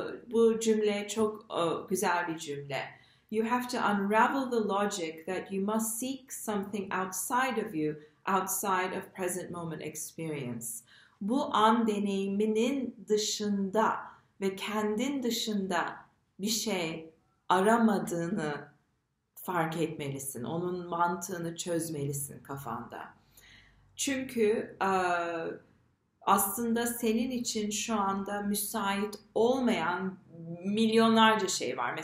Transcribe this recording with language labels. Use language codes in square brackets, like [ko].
[tr] Bu cümle çok güzel bir cümle. [en] You have to unravel the logic that you must seek something outside of you, outside of present moment experience. [tr] Bu an deneyiminin dışında ve kendin dışında bir şey aramadığını fark etmelisin. Onun mantığını çözmelisin kafanda. Çünkü aslında senin için şu anda müsait olmayan milyonlarca şey var.